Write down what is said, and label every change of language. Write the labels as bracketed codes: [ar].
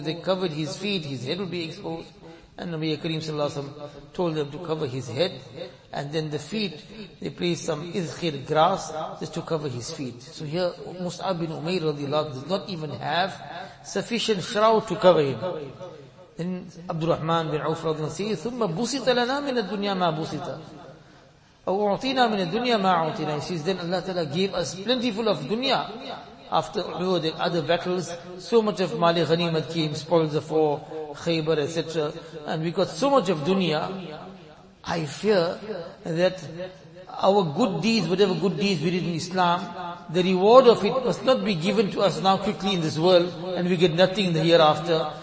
[en] If they covered his feet, his head would be exposed. And Nabiya Kareem sallallahu alayhi wa sallam told them to cover his head. And then the feet, they placed some izkhir grass just to cover his feet. So here, Mus'ab bin Umair radiallahu anhu does not even have sufficient shroud to cover him. [ar] Then Abdurrahman bin Awf radiallahu anhu says, ثُمَّ بُسِطَ لَنَا مِنَ الدُّنْيَا مَا بُسِطَ أَوْعُطِينَا مِنَ الدُّنْيَا مَا عُطِينَا. [en] He says, then Allah Ta'ala gave us plentiful of dunya. After Uhud and other battles, so much of Mali Ghanimat came, spoils of war, Khaybar, etc. And we got so much of dunya, I fear that our good deeds, whatever good deeds we did in Islam, the reward of it must not be given to us now quickly in this world, and we get nothing in the hereafter.